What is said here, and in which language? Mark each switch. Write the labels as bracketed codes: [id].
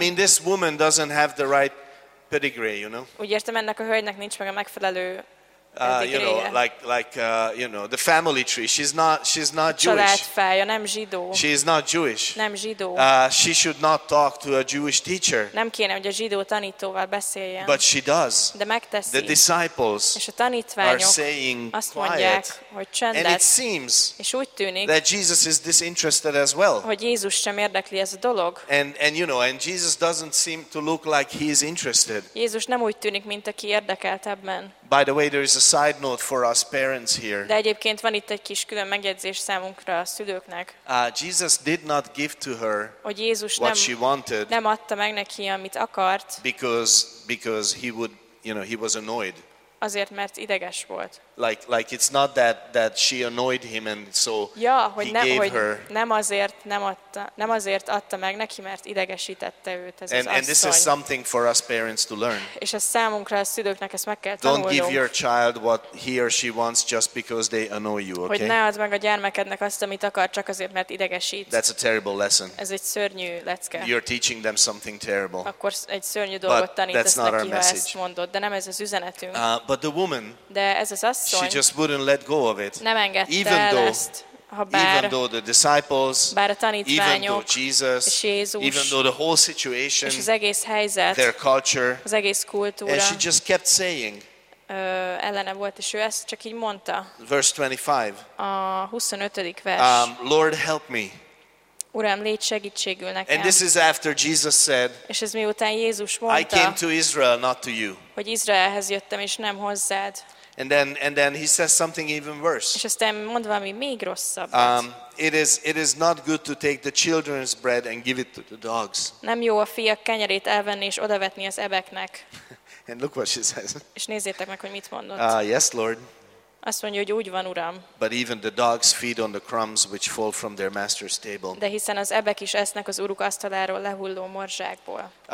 [en] I mean, this woman doesn't have the right pedigree, you know? [hu] Úgy értem, ennek a hölgynek nincs meg a megfelelő [en] the family tree. She's not Jewish. [hu] Családfája, nem zsidó. [en] She is not Jewish. [hu] Nem zsidó. [en] She should not talk to a Jewish teacher. [hu] Nem kéne, hogy a zsidó tanítóval beszéljen. [en] But she does. [hu] De megteszi. [en] The disciples [hu] és a tanítványok [en] are saying [hu] azt mondják, hogy csendet. [en] And it seems [hu] és úgy tűnik, [en] that Jesus is disinterested as well. [hu] Hogy Jézus sem érdekli ez a dolog. [en] And Jesus doesn't seem to look like he is interested. [hu] Jézus nem úgy tűnik, mint aki érdekelt ebben. [en] By the way, there is a side note for us parents here. [hu] De egyébként van itt egy kis külön megjegyzés számunkra a szülőknek. [en] Jesus did not give to her [hu] hogy Jézus [en] what she wanted. [hu] Nem adta meg neki, amit akart. [en] Because he would, he was annoyed. [hu] Azért, mert ideges volt. [en] Like it's not that she annoyed him and so ja, he [hu] nem, [en] gave her. [hu] Nem azért adta meg neki, mert idegesítette őt ez [en] and, [hu] az [en] and this is something for us parents to learn. [hu] És ez számunkra a szülőknek ezt meg kell tanulnunk. [en] Don't give your child what he or she wants just because they annoy you, okay? [hu] Hogy ne add meg a gyermekednek azt, amit akar, csak azért, mert idegesít. [en] That's a terrible lesson. [hu] Ez egy szörnyű lecke. [en] You're teaching them something terrible. [hu] Akkor egy szörnyű dolgot tanítasz neki, ha ezt mondod, de nem ez az üzenetünk. [en] But the woman, [hu] de ez az asszony, [en] she just wouldn't let go of it. [hu] Nem engedte el ezt. [en] Even though the disciples, [hu] bár a tanítványok, [en] even though Jesus, [hu] és Jézus, [en] even though the whole situation, [hu] és az egész helyzet, [en] their culture, [hu] az egész kultúra, [en] and she just kept saying, [hu] ellene volt, és ő ezt csak így mondta. [en] Verse 25. [hu] A 25. vers. [en] Lord, help me. [hu] Uram, légy segítségül nekem. [en] And this is after Jesus said, [hu] és ez miután Jézus mondta, [en] I came to Israel, not to you. [hu] Hogy Izraelhez jöttem, és nem hozzád. [en] And then he says something even worse. [hu] És aztán mond valami még rosszabbat. [en] It is not good to take the children's bread and give it to the dogs. [hu] Nem jó a fiak kenyerét elvenni és odavetni az ebeknek. [en] And look what she says. [hu] És nézzétek meg, hogy mit mondott. [en] Yes, Lord. [hu] Azt mondja, hogy úgy van, Uram. [en] But even the dogs feed on the crumbs which fall from their master's table. [hu] De hiszen az ebek is esznek az uruk asztaláról lehulló morzsákból.